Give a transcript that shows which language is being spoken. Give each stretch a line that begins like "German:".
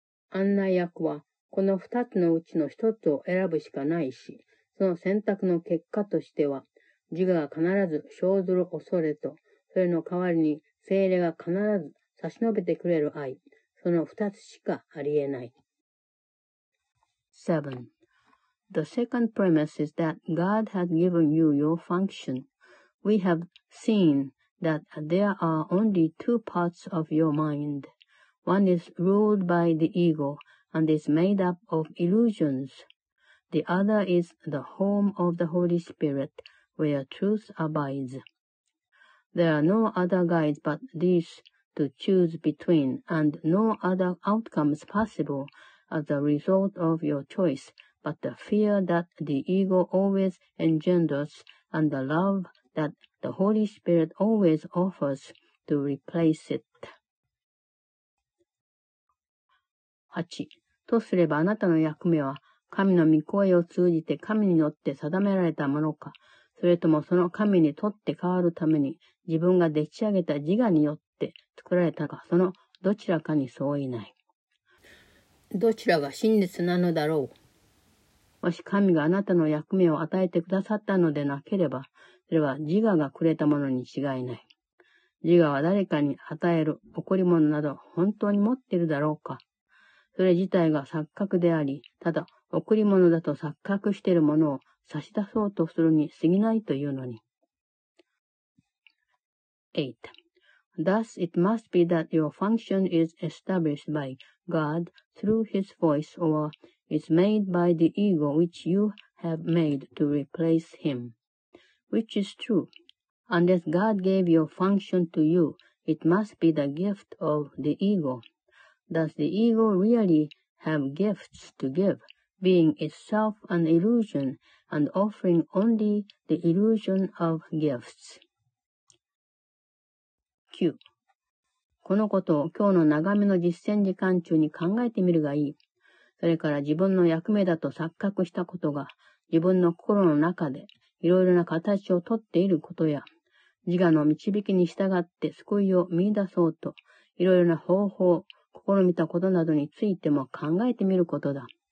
Japanese: 案内役は、この二つのうちの一つを選ぶしかないし、その選択の結果としては、自我が必ず生ずる恐れと、それの代わりに精霊が必ず差し伸べてくれる愛、その二つしかありえない。
English: 7. The second premise is that God had given you your function. We have seen that there are only two parts of your mind. One is ruled by the ego,and is made up of illusions. The other is the home of the Holy Spirit, where truth abides. There are no other guides but these to choose between, and no other outcomes possible as a result of your choice but the fear that the ego always engenders and the love that the Holy Spirit always offers to replace it.
Japanese: 8. とすればあなたの役目は神の御声を通じて神によって定められたものか、それともその神にとって変わるために自分がでっち上げた自我によって作られたか、そのどちらかに相違ない。どちらが真実なのだろう。もし神があなたの役目を与えてくださったのでなければ、それは自我がくれたものに違いない。自我は誰かに与える贈り物など本当に持っているだろうか。それ自体が錯覚であり、ただ贈り物だと錯覚しているものを差し出そうとするに過ぎないというのに。
English: 8. Thus it must be that your function is established by God through his voice or is made by the ego which you have made to replace him. Which is true. Unless God gave your function to you, it must be the gift of the ego. Does the ego really have gifts to give, being itself an illusion and offering only the illusion of gifts?
Japanese: 9. このことを今日の眺めの実践時間中に考えてみるがいい。それから自分の役目だと錯覚したことが自分の心の中でいろいろな形をとっていることや、自我の導きに従って救いを見出そうといろいろな方法を試みたことなどについても考えてみることだ。